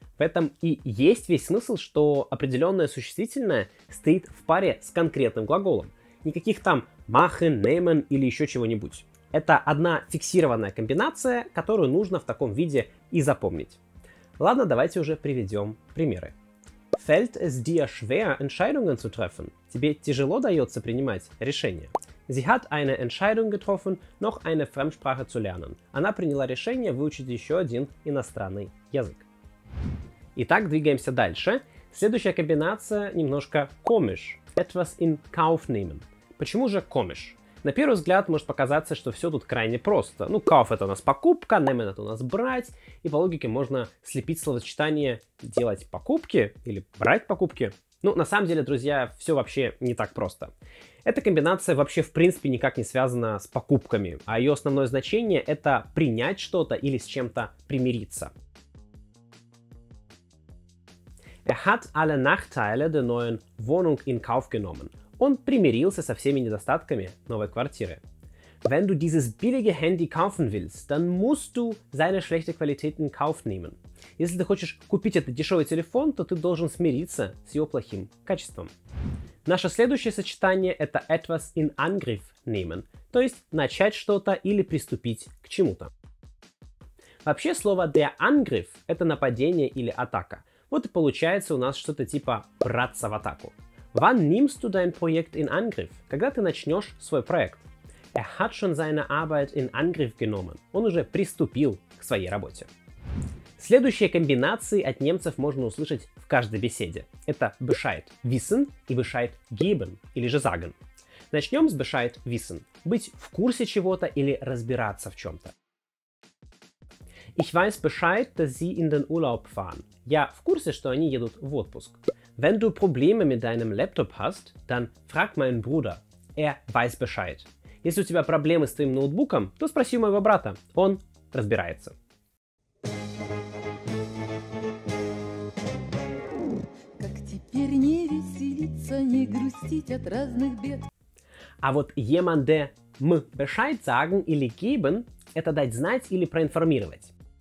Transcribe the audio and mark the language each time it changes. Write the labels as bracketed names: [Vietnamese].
[Russian] В этом и есть весь смысл, что определенное существительное стоит в паре с конкретным глаголом. Никаких там machen, nehmen или еще чего-нибудь. Это одна фиксированная комбинация, которую нужно в таком виде и запомнить. Ладно, давайте уже приведем примеры. [German] Fällt es dir schwer, Entscheidungen zu treffen? [Russian] Тебе тяжело дается принимать решения? [German] Sie hat eine Entscheidung getroffen, noch eine Fremdsprache zu lernen. [Russian] Она приняла решение выучить еще один иностранный язык. Итак, двигаемся дальше. Следующая комбинация немножко komisch. [German] Etwas in Kauf nehmen. [Russian] Почему же komisch? На первый взгляд может показаться, что все тут крайне просто. Ну, Kauf — это у нас покупка, nehmen — это у нас брать. И по логике можно слепить словосочетание делать покупки или брать покупки. Ну, на самом деле, друзья, все вообще не так просто. Эта комбинация вообще в принципе никак не связана с покупками, а ее основное значение — это принять что-то или с чем-то примириться. [German] Er hat alle Nachteile der neuen Wohnung in Kauf genommen. [Russian] Он примирился со всеми недостатками новой квартиры. [German] Wenn du dieses billige Handy kaufen willst, dann musst du seine schlechte Qualität in Kauf nehmen. [Russian] Если ты хочешь купить этот дешевый телефон, то ты должен смириться с его плохим качеством. Наше следующее сочетание – это [German] etwas in Angriff nehmen, [Russian] то есть начать что-то или приступить к чему-то. Вообще слово der Angriff – это нападение или атака. Вот и получается у нас что-то типа «браться в атаку». [German] Wann nimmst du dein Projekt in Angriff? [Russian] Когда ты начнешь свой проект? [German] Er hat schon seine Arbeit in Angriff genommen. [Russian] Он уже приступил к своей работе. Следующие комбинации от немцев можно услышать в каждой беседе. Это [German] Bescheid wissen [Russian] и [German] Bescheid geben, [Russian] или же sagen. Начнем с [German] Bescheid wissen. [Russian] Быть в курсе чего-то или разбираться в чем-то. [German] Ich weiß Bescheid, dass Sie in den Urlaub fahren. [Russian] Я в курсе, что они едут в отпуск. [German] Wenn du Probleme mit deinem Laptop hast, dann frag meinen Bruder. Er weiß Bescheid. [Russian] Если у тебя проблемы с твоим ноутбуком, то спроси у моего брата. Он разбирается. Как теперь не веселиться, не грустить от разных бед. А вот jemand, мы [German] Bescheid sagen [Russian] или geben, это дать знать или проинформировать.